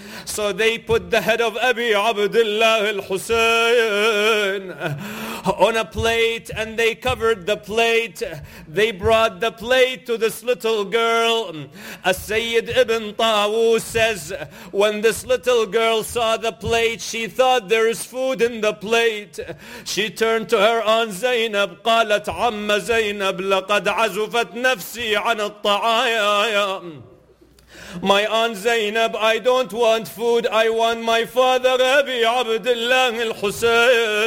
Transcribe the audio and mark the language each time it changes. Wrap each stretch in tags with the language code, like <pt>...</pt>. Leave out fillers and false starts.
<en>So they put the head of Abi Abdullah al-Husayn on a plate and they covered the plate. They brought the plate to this little girl. As Sayyid Ibn Tawus says, when this little girl saw the plate, she thought there is food in the plate. She turned to her aunt Zainab,</en> <ar>قالت عم زينب لقد عزفت نفسي عن الطعام.</ar> <en>My aunt Zainab, I don't want food. I want my father, Abi Abdullah al-Husayn.</en>